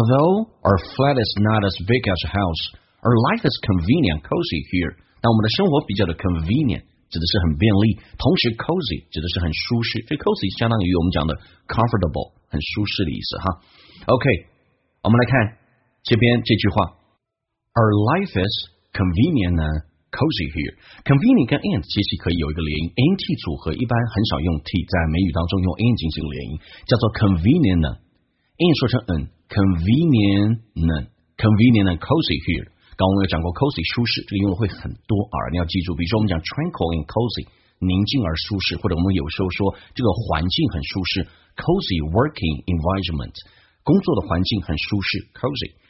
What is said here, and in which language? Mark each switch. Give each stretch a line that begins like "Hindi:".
English: Although our flat is not as big as a house, our life is convenient, cozy here.
Chinese: 但我们的生活比较的 convenient， 指的是很便利，同时 cozy 指的是很舒适，这 cozy 相当于我们讲的 comfortable。很舒适的意思哈。
English: OK，
Chinese: 我们来看这边这句话，
English: Our life is convenient and cozy here.
Chinese: Convenient 跟 and 其实可以有一个连音， and 组合一般很少用 t， 在美语当中用 and 进行连音，叫做 convenient and 说成 and
English: convenient and cozy here。
Chinese: 刚我们有讲过 cozy 舒适，这个用的会很多啊，你要记住。比如说我们讲
English: tranquil and cozy，
Chinese: 宁静而舒适，或者我们有时候说这个环境很舒适，
English: cozy working environment，
Chinese: 工作的环境很舒适， cozy。